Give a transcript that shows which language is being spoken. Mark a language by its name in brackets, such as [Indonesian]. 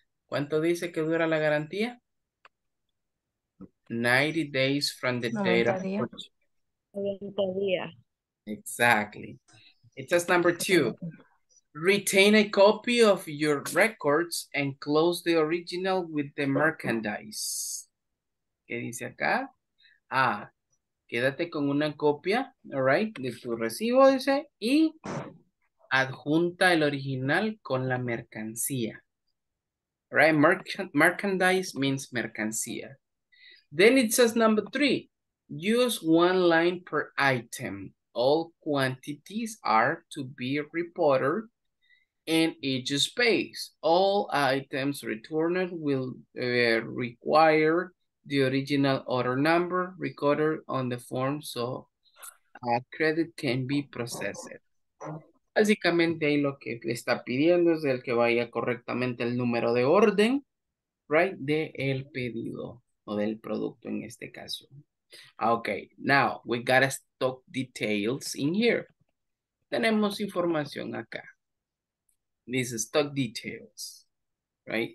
[Spanish] ¿Cuánto dice que dura la garantía? [English] 90 days from the date of purchase. Exactly. It says number two, retain a copy of your records and close the original with the merchandise. [Spanish] ¿Qué dice acá? Ah, quédate con una copia, all right, de tu recibo, dice, y adjunta el original con la mercancía. [English] All right, merchandise means mercancía. Then it says number three, use one line per item. All quantities are to be reported in each space. All items returned will require the original order number recorded on the form so a credit can be processed. [Spanish] Básicamente ahí lo que le está pidiendo es el que vaya correctamente el número de orden, right, de el pedido. O del producto en este caso. [English] Okay, now we got a stock details in here. [Spanish] Tenemos información acá. [English] This is stock details, right?